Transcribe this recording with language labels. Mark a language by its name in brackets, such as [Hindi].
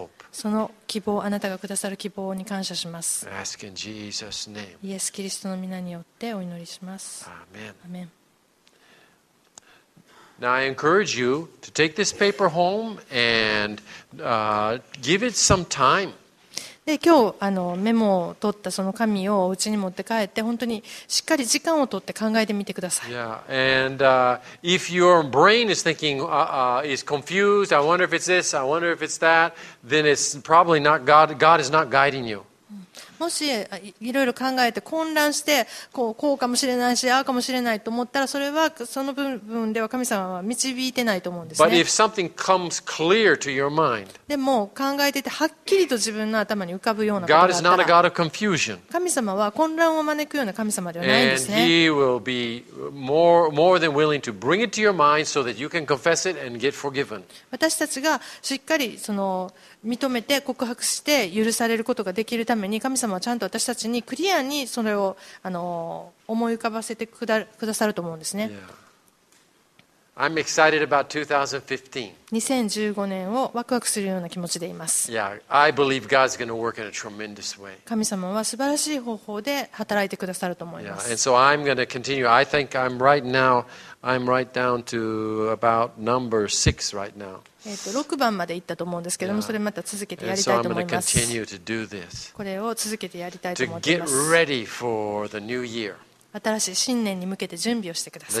[Japanese] その希望、あなたがくださる希望に感謝します。イエス・キリストの御名によってお祈りします。アーメン。 [English] Now I encourage you to take this paper home and give it some time. [Japanese] で今日メモを取ったその紙をお家に持って帰って本当にしっかり時間を取って考えてみてください。 [English] Yeah, and if your brain is thinking, is confused, I wonder if it's this, I wonder if it's that, then it's probably not God. God is not guiding you. [Japanese] もしいろいろ考えて混乱してこうかもしれないしああかもしれないと思ったらそれはその部分では神様は導いてないと思うんですね。 [English] But if something comes clear to your mind, [Japanese] でも考えててはっきりと自分の頭に浮かぶようなことがあったら [English] God is not a God of confusion. [Japanese] 神様は混乱を招くような神様ではないんですね。 [English] And he will be more than willing to bring it to your mind so that you can confess it and get forgiven. [Japanese] 私たちがしっかりその認めて告白して許されることができるために神様はちゃんと私たちにクリアにそれを思い浮かばせてくださると思うんですね。 [English] Yeah. I'm excited about 2015. [Japanese] 2015年をワクワクするような気持ちでいます。 [English] Yeah. I believe God's going to work in a tremendous way. [Japanese] 神様は素晴らしい方法で働いてくださると思います。 [English] Yeah. And so I'm going to continue. I think I'm right now. I'm right down to about number 6 right now. [Japanese] 6番まで行ったと思うんですけども、それまた続けてやりたいと思います。これを続けてやりたいと思います。 [English] To get ready for the new year. [Japanese] 新しい新年に向けて準備をしてください。